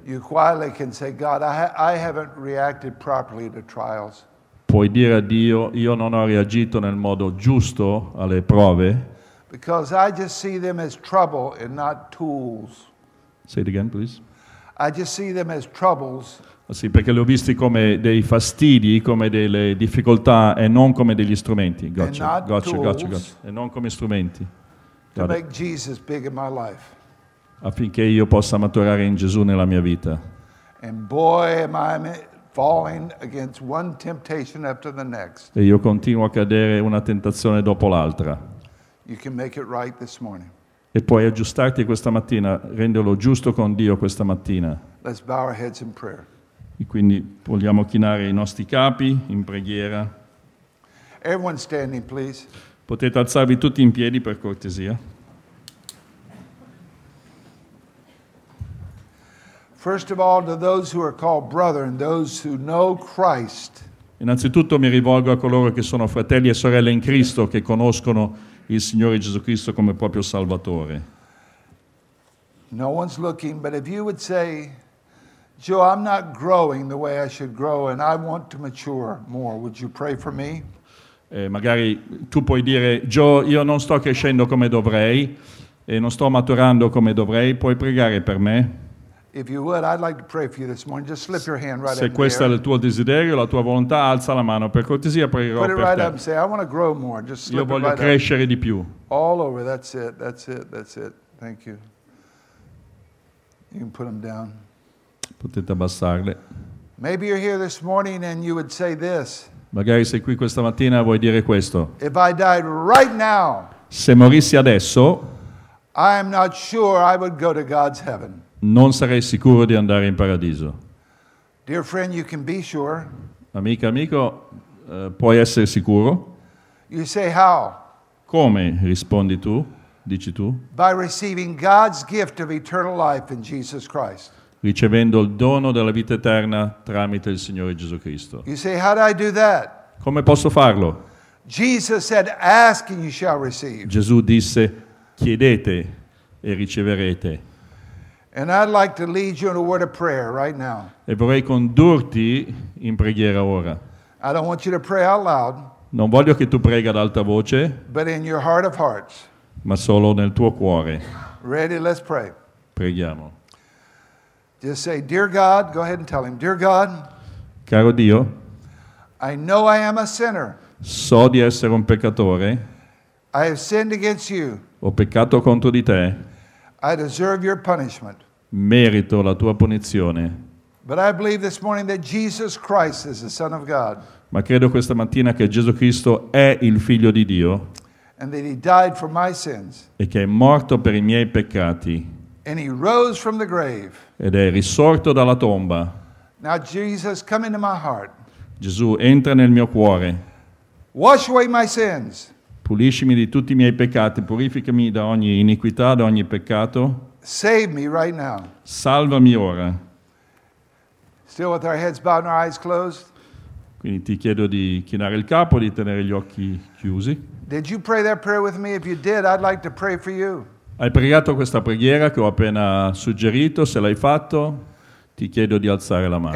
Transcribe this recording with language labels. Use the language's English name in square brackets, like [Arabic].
[English] You quietly can say, God, I haven't reacted properly to trials. [Italian] Puoi dire a Dio, io non ho reagito nel modo giusto alle prove. [English] Because I just see them as trouble and not tools. Say it again, please. I just see them as troubles. [Italian] Sì, perché li ho visti come dei fastidi, come delle difficoltà e non come degli strumenti. [English] Gotcha, gotcha, gotcha, gotcha. [Italian] E non come strumenti. [English] To make Jesus big in my life. [Italian] Affinché io possa maturare in Gesù nella mia vita. [English] And boy, am I falling against one temptation after the next. [Italian] E io continuo a cadere una tentazione dopo l'altra. [English] You can make it right this morning. [Italian] E puoi aggiustarti questa mattina, renderlo giusto con Dio questa mattina. [English] Let's bow our heads in prayer. [Italian] E quindi vogliamo chinare i nostri capi in preghiera. [English] Everyone standing, please. [Italian] Potete alzarvi tutti in piedi per cortesia. [English] 1st of all to those who are called brethren, those who know Christ. [Italian] Innanzitutto mi rivolgo a coloro che sono fratelli e sorelle in Cristo, che conoscono il Signore Gesù Cristo come proprio Salvatore. [English] No one's looking, but if you would say, Joe, I'm not growing the way I should grow and I want to mature more, would you pray for me? [Italian] Magari tu puoi dire, Joe, io non sto crescendo come dovrei e non sto maturando come dovrei, puoi pregare per me? [English] If you would, I'd like to pray for you this morning. Just slip your hand right up there. [Italian] Se questo è il tuo desiderio, la tua volontà, alza la mano. Per cortesia, pregherò per te. [English] Put it right up and say, I want to grow more. Just slip it right up. [Italian] Io voglio crescere di più. [English] All over, that's it, that's it, that's it. Thank you. You can put them down. [Italian] Potete abbassarle. [English] Maybe you're here this morning and you would say this. [Italian] Magari sei qui questa mattina e vuoi dire questo. [English] If I died right now, [Italian] se morissi adesso, [English] I am not sure I would go to God's heaven. [Italian] Non sarei sicuro di andare in paradiso. [English] Dear friend, you can be sure. [Italian] Amica, amico, puoi essere sicuro. [English] You say how? [Italian] Come rispondi tu? Dici tu? [English] By receiving God's gift of eternal life in Jesus Christ. [Italian] Ricevendo il dono della vita eterna tramite il Signore Gesù Cristo. [English] You say, how do I do that? [Italian] Come posso farlo? [English] Jesus said, ask and you shall receive. [Italian] Gesù disse, chiedete e riceverete. [English] And I'd like to lead you in a word of prayer right now. [Italian] E vorrei condurti in preghiera ora. [English] I don't want you to pray out loud. [Italian] Non voglio che tu prega ad alta voce. [English] But in your heart of hearts. [Italian] Ma solo nel tuo cuore. [English] Ready? Let's pray. [Italian] Preghiamo. [English] Just say, dear God, go ahead and tell him, dear God, [Italian] caro Dio, [English] I know I am a sinner. [Italian] So di essere un peccatore. [English] I have sinned against you. [Italian] Ho peccato contro di te. [English] I deserve your punishment. [Italian] Merito la tua punizione. [English] But I believe this morning that Jesus Christ is the Son of God. [Italian] Ma credo questa mattina che Gesù Cristo è il Figlio di Dio. [English] And that he died for my sins. [Italian] E che è morto per i miei peccati. [English] And he rose from the grave. [Italian] Ed è risorto dalla tomba. [English] Now Jesus, come into my heart. [Italian] Gesù, entra nel mio cuore. [English] Wash away my sins. [Italian] Puliscimi di tutti i miei peccati. Purificami da ogni iniquità, da ogni peccato. [English] Save me right now. [Italian] Salvami ora. [English] Still with our heads bowed and our eyes closed. [Italian] Quindi ti chiedo di chinare il capo, di tenere gli occhi chiusi. [English] Did you pray that prayer with me? If you did, I'd like to pray for you. [Italian] Hai pregato questa preghiera che ho appena suggerito, se l'hai fatto, ti chiedo di alzare la mano.